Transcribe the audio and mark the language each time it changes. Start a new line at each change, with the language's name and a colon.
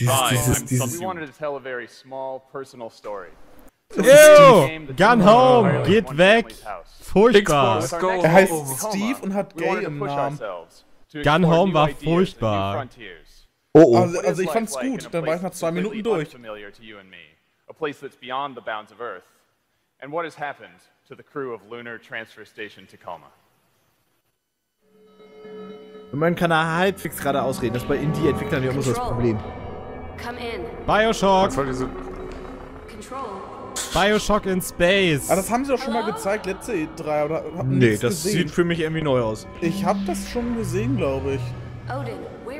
English: Vine, we wanted to tell a very small personal story.
German: Ew! Gun home! Geht weg! Furchtbar! Er heißt Steve und hat Gay im Namen. Gun home war furchtbar. Oh, oh. Also ich fand's gut, dann war ich nach 2 Minuten durch.
English: A place that's beyond the bounds of Earth. And what has happened to the crew of Lunar Transfer Station Tacoma?
German: Man kann da halbwegs gerade ausreden, das ist bei Indie-Entwicklern ja immer so das Problem. Bioshock! Bioshock in Space! Ah, das haben sie doch schon mal gezeigt, letzte E3, oder? Nee, das sieht für mich irgendwie neu aus. Ich hab das schon gesehen, glaube ich.